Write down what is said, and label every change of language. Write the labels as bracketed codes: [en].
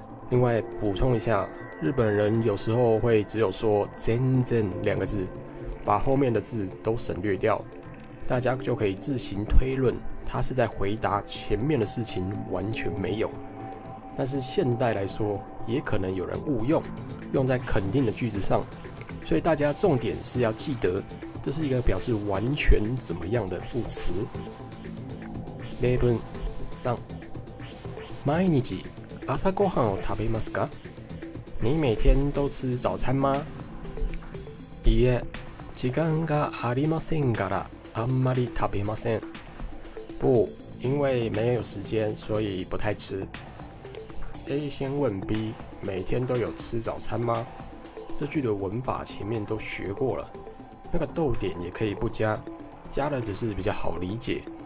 [zh] 另外补充一下，日本人有时候会只有说全然两个字，把后面的字都省略掉，大家就可以自行推论他是在回答前面的事情完全没有。但是现代来说也可能有人误用，用在肯定的句子上，所以大家重点是要记得这是一个表示完全怎么样的副词。 [ja] 例文三、毎日朝ごはんを食べますか？ [zh] 你每天都吃早餐吗？ [ja] いえ、時間がありませんからあんまり食べません。 [zh] 不，因为没有时间所以不太吃。 A 先问 B 每天都有吃早餐吗？这句的文法前面都学过了，那个逗点也可以不加，加了只是比较好理解。